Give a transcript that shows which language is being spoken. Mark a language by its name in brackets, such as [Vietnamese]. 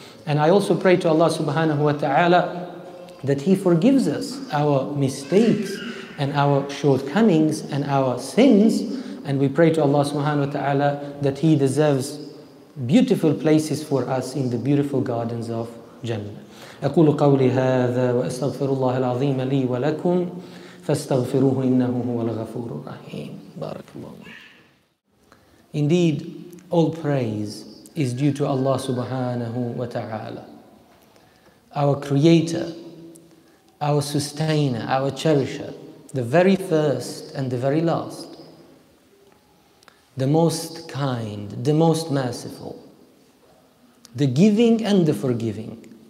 [English] And I also pray to Allah subhanahu wa ta'ala that He forgives us our mistakes and our shortcomings and our sins. And we pray to Allah subhanahu wa ta'ala that He deserves beautiful places for us in the beautiful gardens of Jannah. [Arabic] أقول قولي هذا وأستغفر الله العظيم لي ولكم فاستغفروه إنه هو الغفور الرحيم. بارك الله. [English] Indeed, all praise is due to Allah subhanahu wa ta'ala, our creator, our sustainer, our cherisher, the very first and the very last, the most kind, the most merciful, the giving and the forgiving.